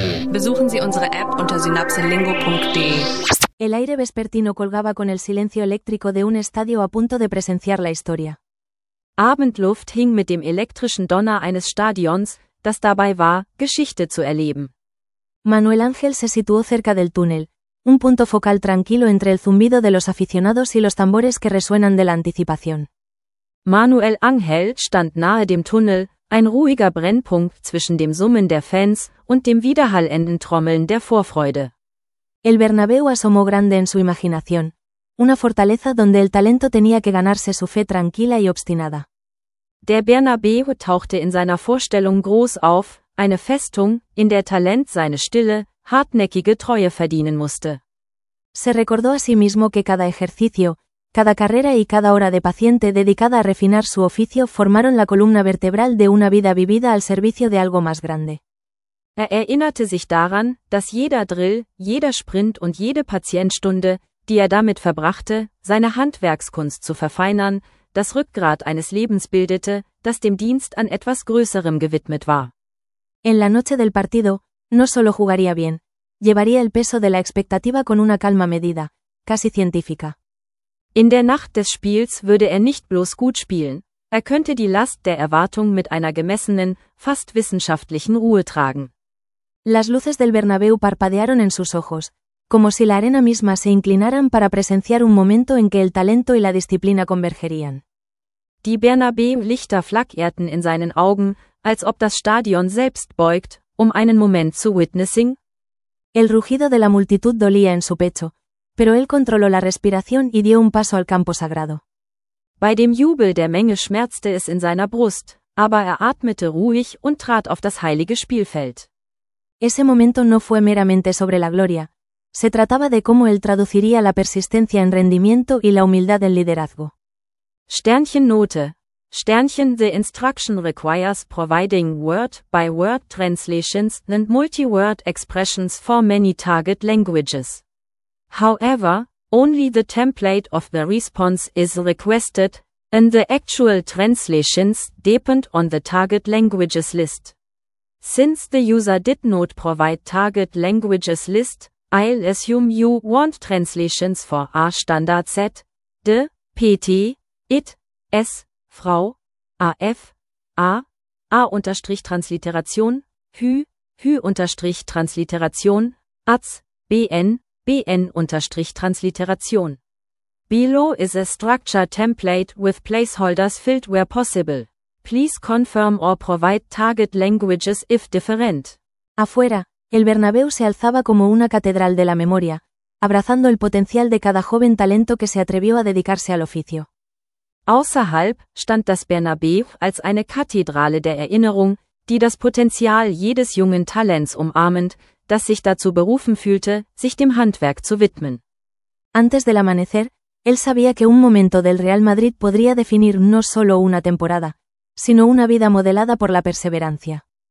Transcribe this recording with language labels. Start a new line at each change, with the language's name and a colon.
German: Besuchen Sie unsere App unter synapselingo.de.
Spanish: El aire vespertino colgaba con el silencio eléctrico de un estadio a punto de presenciar la historia.
German: Abendluft hing mit dem elektrischen Donner eines Stadions, das dabei war, Geschichte zu erleben.
Spanish: Manuel Ángel se situó cerca del túnel, un punto focal tranquilo entre el zumbido de los aficionados y los tambores que resuenan de la anticipación.
German: Manuel Ángel stand nahe dem Tunnel, ein ruhiger Brennpunkt zwischen dem Summen der Fans und dem widerhallenden Trommeln der Vorfreude.
Spanish: El Bernabéu asomó grande en su imaginación, una fortaleza donde el talento tenía que ganarse su fe tranquila y obstinada.
German: Der Bernabéu tauchte in seiner Vorstellung groß auf, eine Festung, in der Talent seine stille, hartnäckige Treue verdienen musste.
Spanish: Se recordó a sí mismo que cada ejercicio, cada carrera y cada hora de paciente dedicada a refinar su oficio formaron la columna vertebral de una vida vivida al servicio de algo más grande.
German: Er erinnerte sich daran, dass jeder Drill, jeder Sprint und jede Patientstunde, die er damit verbrachte, seine Handwerkskunst zu verfeinern, das Rückgrat eines Lebens bildete, das dem Dienst an etwas Größerem gewidmet war.
Spanish: En la noche del partido, no solo jugaría bien, llevaría el peso de la expectativa con una calma medida, casi científica.
German: In der Nacht des Spiels würde er nicht bloß gut spielen, er könnte die Last der Erwartung mit einer gemessenen, fast wissenschaftlichen Ruhe tragen.
Spanish: Las luces del Bernabéu parpadearon en sus ojos, como si la arena misma se inclinaran para presenciar un momento en que el talento y la disciplina convergerían.
German: Die Bernabéu-Lichter flackerten in seinen Augen, als ob das Stadion selbst beugt, um einen Moment zu witnessing.
Spanish: El rugido de la multitud dolía en su pecho, pero él controló la respiración y dio un paso al campo sagrado.
German: Bei dem Jubel der Menge schmerzte es in seiner Brust, aber er atmete ruhig und trat auf das heilige Spielfeld.
Spanish: Ese momento no fue meramente sobre la gloria, se trataba de cómo él traduciría la persistencia en rendimiento y la humildad en liderazgo.
English: Sternchen Note. Sternchen The instruction requires providing word-by-word translations and multi-word expressions for many target languages. However, only the template of the response is requested, and the actual translations depend on the target languages list. Since the user did not provide target languages list, I'll assume you want translations for A standard Z, D, PT, IT, S, Frau, AF, A, A unterstrich Transliteration, Hü, Hü unterstrich Transliteration, Az, BN, BN unterstrich Transliteration. Below is a structure template with placeholders filled where possible. Please confirm or provide target languages if different.
Spanish: Afuera, el Bernabéu se alzaba como una catedral de la memoria, abrazando el potencial de cada joven talento que se atrevió a dedicarse al oficio.
German: Außerhalb stand das Bernabéu als eine Kathedrale der Erinnerung, die das Potenzial jedes jungen Talents umarmend, das sich dazu berufen fühlte, sich dem Handwerk zu widmen.
Spanish: Antes del amanecer, él sabía que un momento del Real Madrid podría definir no solo una temporada, sino una vida modelada por la perseverancia.